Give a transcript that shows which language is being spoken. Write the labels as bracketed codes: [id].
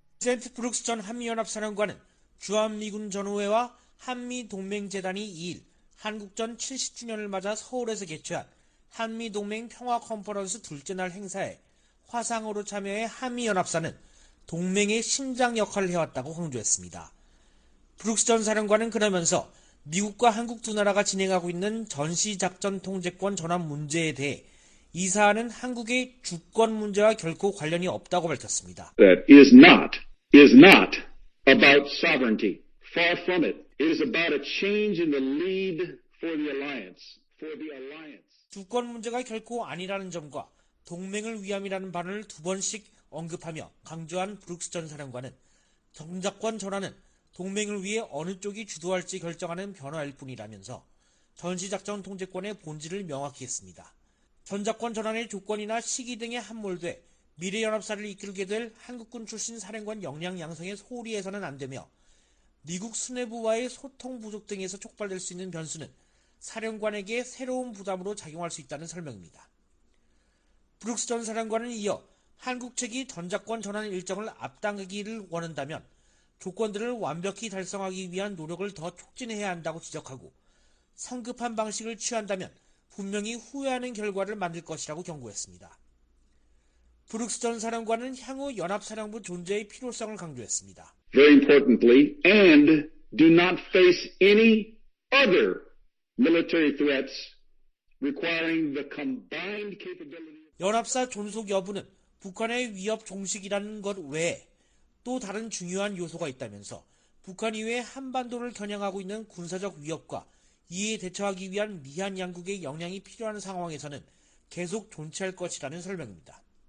[ko] 세인트 브룩스 전 한미연합사령관은 주한미군 전우회와 한미동맹재단이 2일 한국전 70주년을 맞아 서울에서 개최한 한미동맹 평화컨퍼런스 둘째 날 행사에 화상으로 참여해 한미연합사는 동맹의 심장 역할을 해왔다고 강조했습니다. 브룩스 전 사령관은 그러면서 미국과 한국 두 나라가 진행하고 있는 전시작전통제권 전환 문제에 대해 이 사안은 한국의 주권 문제와 결코 관련이 없다고 밝혔습니다. [en] That is not about sovereignty. Far from it. It is about a change in the lead for the alliance. For the alliance. [ko] 주권 문제가 결코 아니라는 점과 동맹을 위함이라는 발언을 두 번씩 언급하며 강조한 브룩스 전 사령관은 정작권 전환은 동맹을 위해 어느 쪽이 주도할지 결정하는 변화일 뿐이라면서 전시작전통제권의 본질을 명확히 했습니다. 전작권 전환의 조건이나 시기 등에 함몰돼 미래연합사를 이끌게 될 한국군 출신 사령관 역량 양성에 소홀히 해서는 안 되며 미국 수뇌부와의 소통 부족 등에서 촉발될 수 있는 변수는 사령관에게 새로운 부담으로 작용할 수 있다는 설명입니다. 브룩스 전 사령관은 이어 한국 측이 전작권 전환 일정을 앞당기기를 원한다면 조건들을 완벽히 달성하기 위한 노력을 더 촉진해야 한다고 지적하고 성급한 방식을 취한다면 분명히 후회하는 결과를 만들 것이라고 경고했습니다. 브룩스 전 사령관은 향후 연합사령부 존재의 필요성을 강조했습니다. [en] Very importantly, and do not face any other military threats requiring the combined capability. [ko] 연합사 존속 여부는 북한의 위협 종식이라는 것 외에 또 다른 중요한 요소가 있다면서 북한 이외 한반도를 겨냥하고 있는 군사적 위협과 이에 대처하기 위한 미한 양국의 역량이 필요한 상황에서는 계속 존재할 것이라는 설명입니다.